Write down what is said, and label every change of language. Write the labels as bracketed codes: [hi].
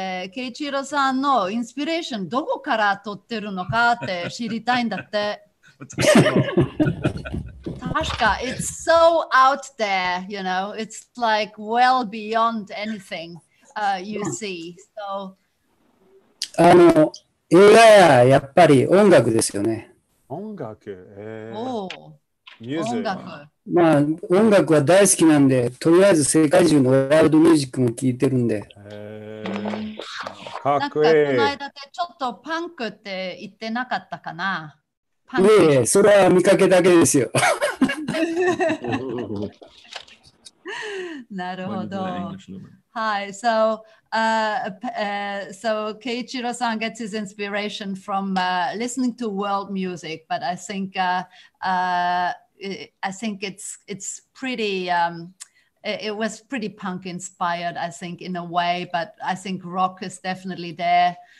[ja] ケイチロさんのインスピレーションどこから取ってるのかって知りたいんだって。 [en] 確か、it's so out there, it's like well beyond anything you see. So, [ja] あの、映画ややっぱり音楽ですよね。音楽、おお、ミュージック。まあ、音楽は大好きなんで、とりあえず世界中のワールドミュージックも聴いてるんで。かっこいい。なんかこの間でちょっとパンクって言ってなかったかな。パンク。ええ、それは見かけだけですよ。なるほど。 [en] はい、so, so Keiichiro-san gets his inspiration from listening to world music, but I think it's pretty it was pretty punk inspired, I think, in a way, but I think rock is definitely there.